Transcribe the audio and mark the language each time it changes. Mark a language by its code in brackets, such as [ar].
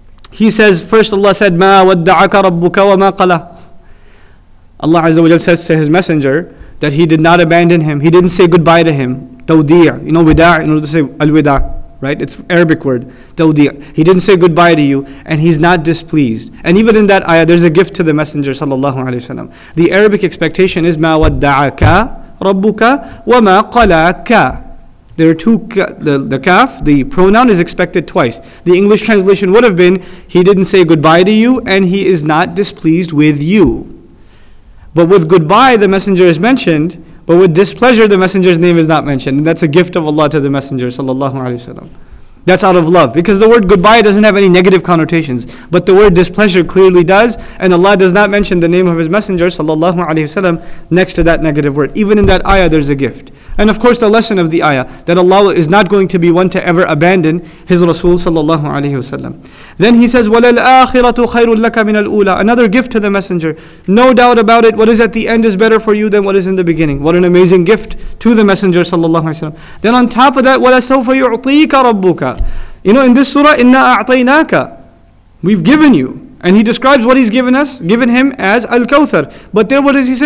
[en] He says, first Allah said, [ar] مَا وَدَّعَكَ رَبُّكَ وَمَا قَلَى. [en] Allah Azza wa Jal says to his messenger that he did not abandon him. He didn't say goodbye to him. Tawdi'. You know, wida', in order to say al-wida', right? It's Arabic word. Tawdi'. He didn't say goodbye to you, and he's not displeased. And even in that ayah, there's a gift to the messenger, sallallahu alayhi wa sallam. The Arabic expectation is, [ar] مَا وَدَّعَكَ رَبُّكَ وَمَا قَلَاكَ. [en] There are two, the kaf, the pronoun is expected twice. The English translation would have been, he didn't say goodbye to you, and he is not displeased with you. But with goodbye, the messenger is mentioned, but with displeasure, the messenger's name is not mentioned. And that's a gift of Allah to the messenger, sallallahu alayhi wa sallam. That's out of love, because the word goodbye doesn't have any negative connotations, but the word displeasure clearly does, and Allah does not mention the name of his messenger, sallallahu alayhi wa sallam, next to that negative word. Even in that ayah, there's a gift. And of course, the lesson of the ayah, that Allah is not going to be one to ever abandon his Rasul, sallallahu alayhi wa sallam. Then he says, [ar] وَلَلْ آخِرَةُ خَيْرٌ لَكَ مِنَ الْأُولَىٰ. [en] Another gift to the messenger. No doubt about it, what is at the end is better for you than what is in the beginning. What an amazing gift to the messenger, sallallahu alayhi wa sallam. Then on top of that, [ar] وَلَسَوْفَ يُعْطِيكَ رَبُّكَ. [en] You know, in this surah, [ar] إِنَّا أَعْطَيْنَاكَ. [en] We've given you. And he describes what he's given him as Al-Kawthar. But then what does he say?